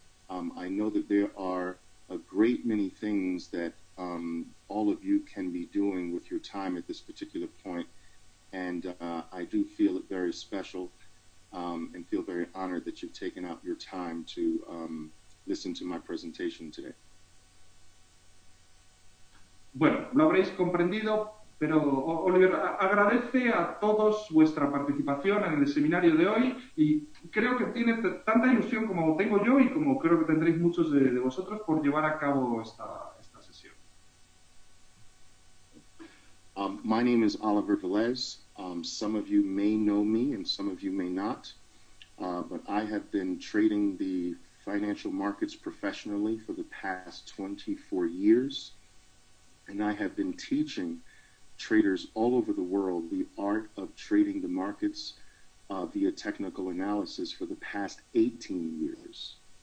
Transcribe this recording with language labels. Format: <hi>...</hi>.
<en>I know that there are a great many things that all of you can be doing with your time at this particular point. And I do feel it very special and feel very honored that you've taken out your time to listen to my presentation today.</en> <es>Bueno, lo habréis comprendido, pero Oliver agradece a todos vuestra participación en el seminario de hoy y creo que tiene tanta ilusión como tengo yo y como creo que tendréis muchos de vosotros por llevar a cabo esta sesión.</es> <en>My name is Oliver Velez. Some of you may know me and some of you may not, but I have been trading the financial markets professionally for the past 24 years, and I have been teaching traders all over the world the art of trading the markets via technical analysis for the past 18 years.</en>